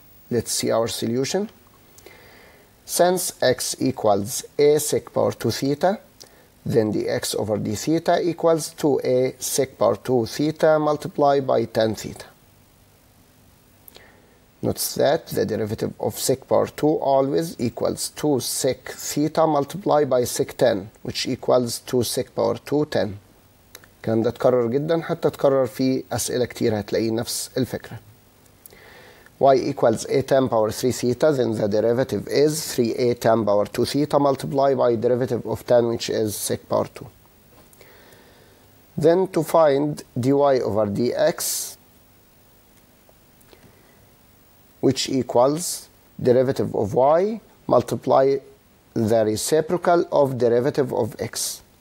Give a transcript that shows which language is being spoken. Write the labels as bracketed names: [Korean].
[English] Let's see our solution. Since x equals a sec power 2 theta, then dx over d theta equals 2a sec power 2 theta multiplied by tan theta. Notice that the derivative of sec power 2 always equals 2 sec theta multiplied by sec 10, which equals 2 sec power 2 10. [Arabic] كان ده تكرر جدا حتى تكرر في أسئلة كتير هتلاقي نفس الفكرة. [English] y equals a tan power 3 theta, then the derivative is 3a tan power 2 theta multiplied by derivative of tan, which is sec power 2. Then to find dy over dx, which equals derivative of y multiply the reciprocal of derivative of x.